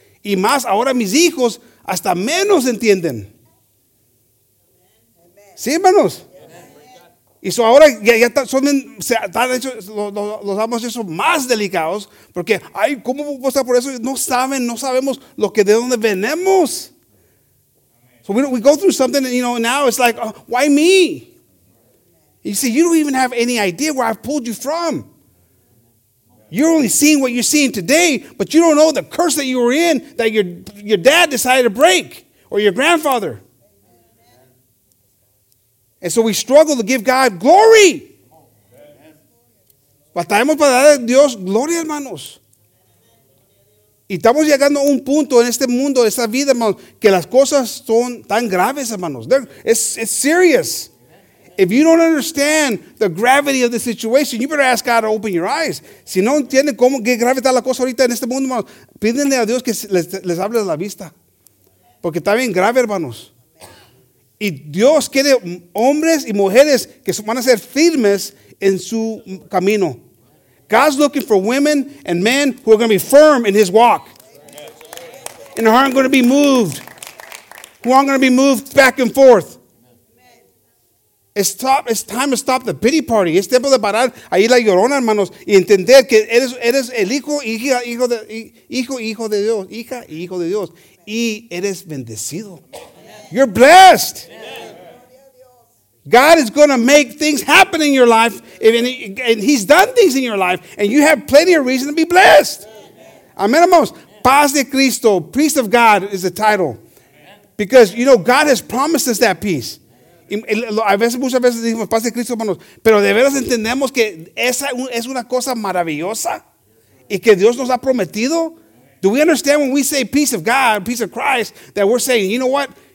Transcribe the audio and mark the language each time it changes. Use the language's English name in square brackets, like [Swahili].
[Spanish] Y más, ahora mis hijos hasta menos entienden. ¿Sí, hermanos? Y so ahora los hemos hecho más delicados, porque, ay, ¿cómo pasa por eso? No sabemos lo que de dónde venimos. [English] So we go through something, and, you know, now it's like, oh, why me? You see, you don't even have any idea where I've pulled you from. You're only seeing what you're seeing today, but you don't know the curse that you were in that your dad decided to break, or your grandfather. And so we struggle to give God glory. [Spanish] Batallamos para darle a Dios gloria, hermanos. Y estamos llegando a un punto en este mundo, en esta vida, hermanos, que las cosas son tan graves, hermanos. [English] It's serious. If you don't understand the gravity of the situation, you better ask God to open your eyes. [Spanish] Si no entienden cómo qué grave está la cosa ahorita en este mundo, hermanos, pídenle a Dios que les hable la vista. Porque está bien grave, hermanos. Y Dios quiere hombres y mujeres que van a ser firmes en su camino. [English] God's looking for women and men who are going to be firm in his walk. And who aren't going to be moved. Who aren't going to be moved back and forth. It's time to stop the pity party. [Spanish] Es tiempo de parar ahí la llorona, hermanos, y entender que eres el hija y hijo de Dios. Y eres bendecido. [English] You're blessed. God is going to make things happen in your life. And he's done things in your life. And you have plenty of reason to be blessed. Amen, hermanos. [Spanish] Paz de Cristo, [English] priest of God, is the title. Because, you know, God has promised us that peace. [Spanish] A veces, muchas veces decimos, paz de Cristo, hermanos. Pero de veras entendemos que esa es una cosa maravillosa. Y que Dios nos ha prometido. [English] Do we understand when we say peace of God, peace of Christ, that we're saying, you know what?